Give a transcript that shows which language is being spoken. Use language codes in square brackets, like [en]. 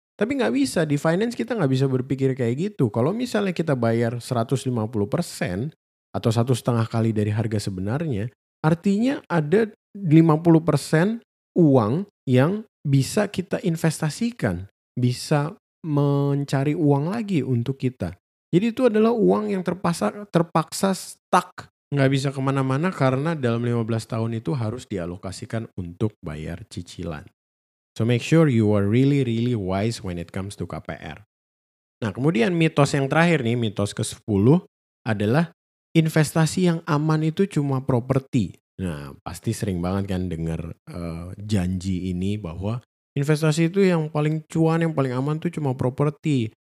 [id] Tapi nggak bisa, di finance kita nggak bisa berpikir kayak gitu. Kalau misalnya kita bayar 150%, atau 1,5 kali dari harga sebenarnya, artinya ada 50% uang yang bisa kita investasikan, bisa mencari uang lagi untuk kita. Jadi itu adalah uang yang terpaksa stuck, nggak bisa kemana-mana karena dalam 15 tahun itu harus dialokasikan untuk bayar cicilan. [en] So make sure you are really really wise when it comes to KPR. [id] Nah kemudian mitos yang terakhir nih, mitos ke-10 adalah investasi yang aman itu cuma properti. Nah, pasti sering banget kan dengar janji ini bahwa investasi itu yang paling cuan, yang paling aman itu cuma properti.